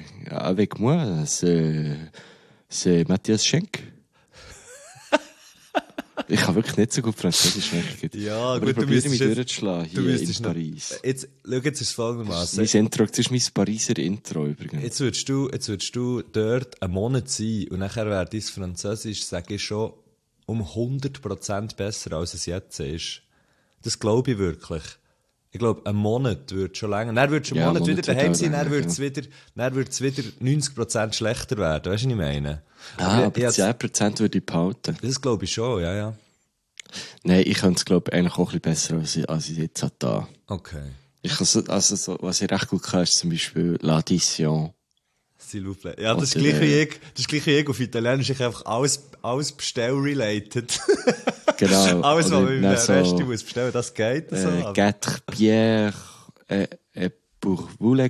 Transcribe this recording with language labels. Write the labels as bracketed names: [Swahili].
[French] Avec moi, c'est Matthias Schenk. [German] Ich kann wirklich nicht so gut Französisch sprechen. Ja, aber gut, ich probiere mich durchzuschlagen hier in Paris. Jetzt ist es folgendermaßen. Das ist mein Pariser Intro übrigens. Jetzt würdest du dort einen Monat sein und nachher wäre dein Französisch, sage ich schon, um 100% besser, als es jetzt ist. Das glaube ich wirklich. Ich glaube, ein Monat wird schon länger. Dann wird schon Monat wieder daheim sein, dann wird es wieder 90% schlechter werden. Weißt du, was ich meine? Aber 10% würde ich behalten. Das glaube ich schon, ja. Nein, ich könnte es, glaube ich, eigentlich auch ein bisschen besser, als ich jetzt habe. Da. Okay. Was ich recht gut kann, ist zum Beispiel [French] L'Addition. S'il vous plaît. [German] Ja, das ist gleich wie ich. Das ist gleich wie ich. Auf Italienisch ist einfach alles bestell-related. Genau. Alles, was man mit dem Rest muss bestellen, das geht. [French] Quatre Pierre et pour vous, les